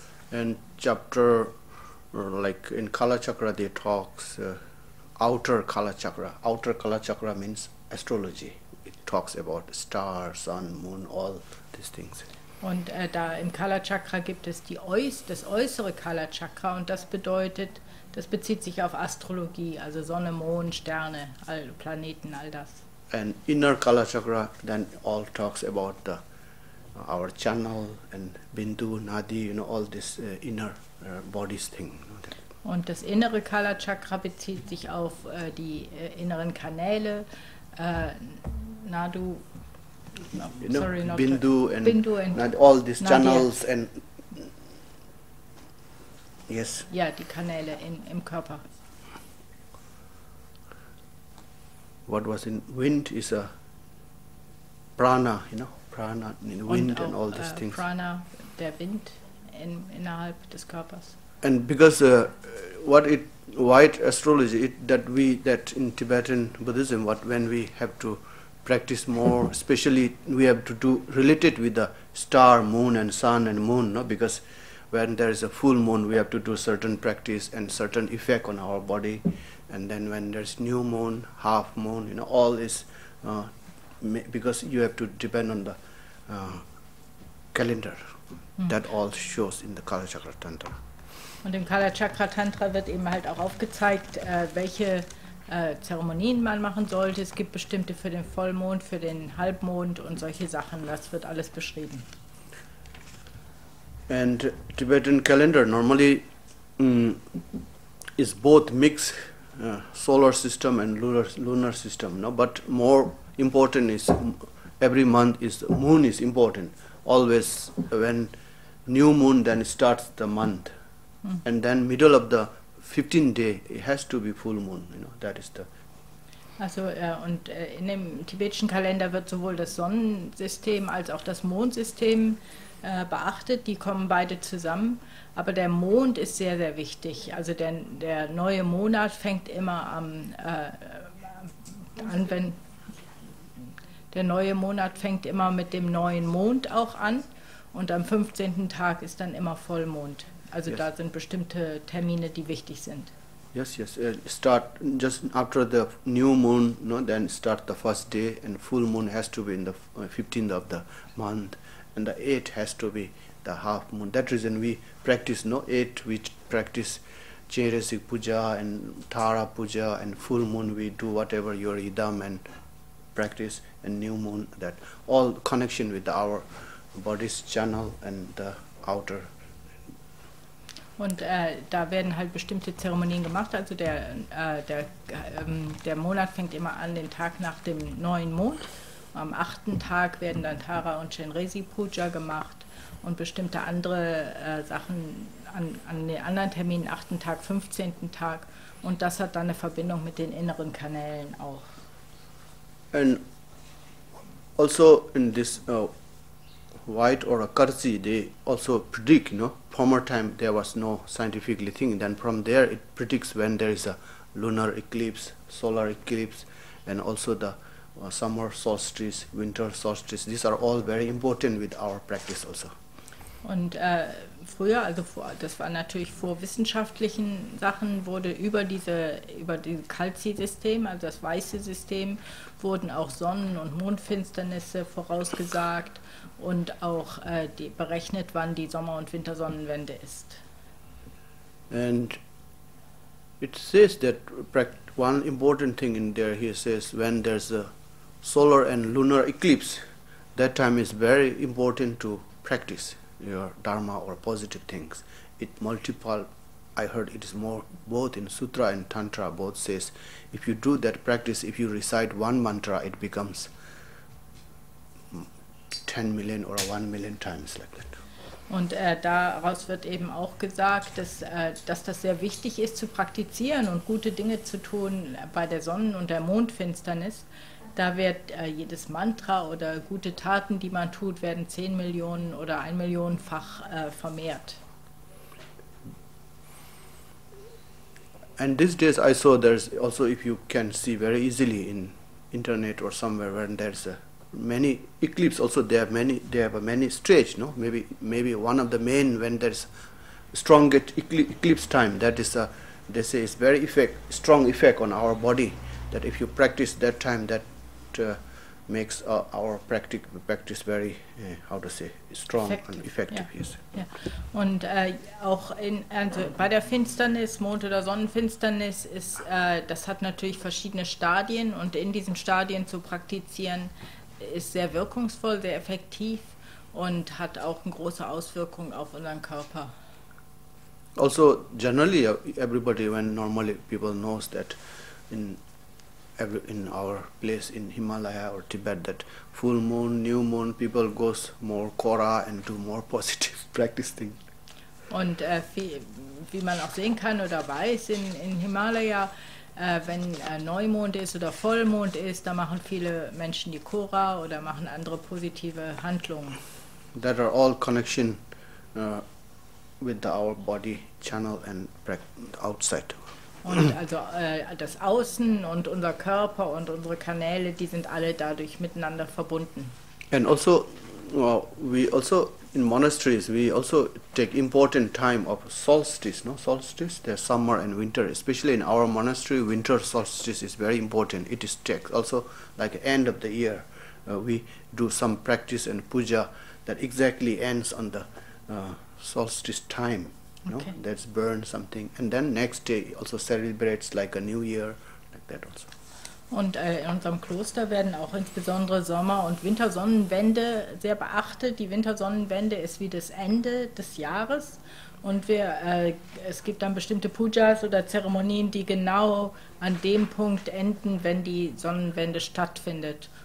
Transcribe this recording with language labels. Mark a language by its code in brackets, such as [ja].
[en] And chapter, like in Kala Chakra they talks outer Kala Chakra. Outer Kala Chakra means astrology. Talks about stars, sun, moon, all these things. [de] Und da im Kala Chakra gibt es das äußere Kala Chakra, und das bedeutet, das bezieht sich auf Astrologie, also Sonne, Mond, Sterne, all Planeten, all das. [en] And inner Kala Chakra then all talks about the our channel and Bindu, Nadi, you know, all this inner bodies thing. [de] Und das innere Kala Chakra bezieht sich auf die inneren Kanäle, Nadu, [en] no, sorry, know, Bindu, and Bindu and all these Nadia. Channels and yes. [de] Ja, die Kanäle im Körper. [en] What was in wind is a prana, you know, prana in wind and all these things. [de] Prana, der Wind innerhalb des Körpers. [en] And because white astrology, that in Tibetan Buddhism, when we have to practice more, especially we have to do related with the star, moon, and sun and moon, no? Because when there is a full moon, we have to do certain practice and certain effect on our body. And then when there's new moon, half moon, you know, all is because you have to depend on the calendar. That all shows in the Kala Chakra Tantra. [de] Und im Kala Chakra Tantra wird eben halt auch aufgezeigt, welche Zeremonien man machen sollte. Es gibt bestimmte für den Vollmond, für den Halbmond und solche Sachen. Das wird alles beschrieben. [en] And Tibetan calendar normally is both mixed solar system and lunar system. No, but more important is every month is moon is important. Always when new moon then starts the month. And then middle of the 15 day, it has to be full moon, you know, that is the... [de] Also, und in dem tibetischen Kalender wird sowohl das Sonnensystem als auch das Mondsystem beachtet, die kommen beide zusammen, aber der Mond ist sehr, sehr wichtig, also der neue Monat fängt immer am, an, wenn der neue Monat fängt immer mit dem neuen Mond auch an und am 15. Tag ist dann immer Vollmond. Also yes. Da sind bestimmte Termine, die wichtig sind. [en] Yes, yes. Start just after the new moon, no, then start the first day and full moon has to be in the 15th of the month and the 8th has to be the half moon. That reason we practice, no, 8th we practice Chairasik Puja and Thara Puja and full moon we do whatever your idam and practice and new moon, that all connection with our body's channel and the outer. [de] Und da werden halt bestimmte Zeremonien gemacht, also der Monat fängt immer an, den Tag nach dem neuen Mond. Am 8. Tag werden dann Tara und Chenresi Puja gemacht und bestimmte andere Sachen an den anderen Terminen, 8. Tag, 15. Tag. Und das hat dann eine Verbindung mit den inneren Kanälen auch. [en] And also in this white or a kurzi, they also predict, no? Former time there was no scientific thing, then from there it predicts when there is a lunar eclipse, solar eclipse, and also the summer solstice, winter solstice. These are all very important with our practice also. [de] Und früher, also vor, das war natürlich vor wissenschaftlichen Sachen, wurde über diese Kalzi-System, also das weiße System, wurden auch Sonnen- und Mondfinsternisse vorausgesagt und auch die berechnet, wann die Sommer- und Wintersonnenwende ist. [en] And it says that one important thing in there, he says, when there's a solar and lunar eclipse, that time is very important to practice your dharma or positive things. It multiple, I heard it is more, both in sutra and tantra, both says, if you do that practice, if you recite one mantra, it becomes 10 million or 1 million times like that. [de] Und daraus wird eben auch gesagt, dass das sehr wichtig ist zu praktizieren und gute Dinge zu tun bei der Sonnen- und der Mondfinsternis. Da wird jedes Mantra oder gute Taten, die man tut, werden 10 Millionen oder 1 Millionenfach vermehrt. [en] And these days I saw there's also, if you can see very easily in internet or somewhere, when there's many eclipses also, they have many stretch, no? Maybe one of the main, when there's strongest eclipse time, that is they say it's very strong effect on our body, that if you practice that time, that makes our practice very, how to say, strong and effective. Yeah. Yeah. [de] Und auch in, also bei der Finsternis, Mond- oder Sonnenfinsternis, ist das hat natürlich verschiedene Stadien und in diesen Stadien zu praktizieren, ist sehr wirkungsvoll, sehr effektiv und hat auch eine große Auswirkung auf unseren Körper. [en] Also generally, everybody, when normally people knows that in our place in Himalaya or Tibet, that full moon, new moon, people goes more kora and do more positive practice thing. [de] Und wie man auch sehen kann oder weiß in Himalaya, wenn Neumond ist oder Vollmond ist, da machen viele Menschen die kora oder machen andere positive Handlungen. [en] That are all connection with our body channel and outside. [de] Und also das Außen und unser Körper und unsere Kanäle, die sind alle dadurch miteinander verbunden. [en] And also, well, we also in monasteries, we also take important time of solstice, no? Solstice, there's summer and winter. Especially in our monastery, winter solstice is very important. It is take also like end of the year. We do some practice and puja that exactly ends on the solstice time. No? Okay. That's burn something. And then next day also celebrates like a new year, like that also. [de] Und in unserem Kloster werden auch insbesondere Sommer- und Wintersonnenwende sehr beachtet. Die Wintersonnenwende ist wie das Ende des Jahres. Und wir, es gibt dann bestimmte Pujas oder Zeremonien, die genau an dem Punkt enden, wenn die Sonnenwende stattfindet.